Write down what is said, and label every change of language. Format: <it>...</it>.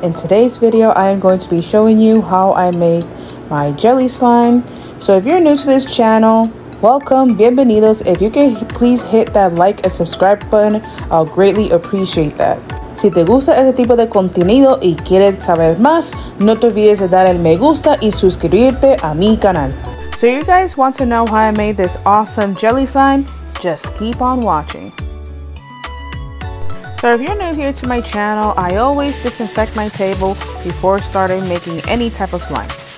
<en>In today's video, I am going to be showing you how I make my jelly slime. So if you're new to this channel, welcome, bienvenidos. If you can please hit that like and subscribe button, I'll greatly appreciate that.</en> <es>Si te gusta este tipo de contenido y quieres saber más, no te olvides de dar el me gusta y suscribirte a mi canal.</es> <en>So you guys want to know how I made this awesome jelly slime? Just keep on watching. So if you're new here to my channel, I always disinfect my table before starting making any type of slimes.</en>